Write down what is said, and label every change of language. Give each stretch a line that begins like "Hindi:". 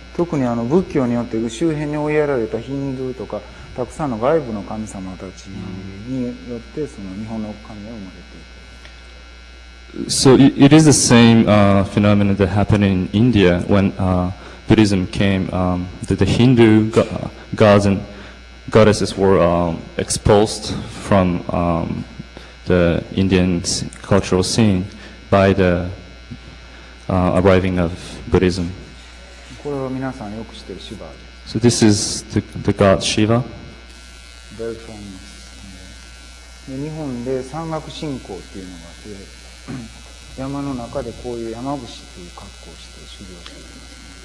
Japanese: 特にあの仏教によって周辺に追いやられたヒンドゥーとかたくさんの外部の神様たちによってその日本の神が生まれている
English: So it is the same phenomenon that happened in India when Buddhism came. The Hindu gods and goddesses were expulsed from the Indian cultural scene by the arriving of Buddhism.
Japanese: これは皆さんよく知っているシヴァです。
English: So this is the god Shiva. Very famous.
Japanese: で、日本で山岳信仰っていうのがあって、山の中でこういう山伏っていう格好をして修行しています。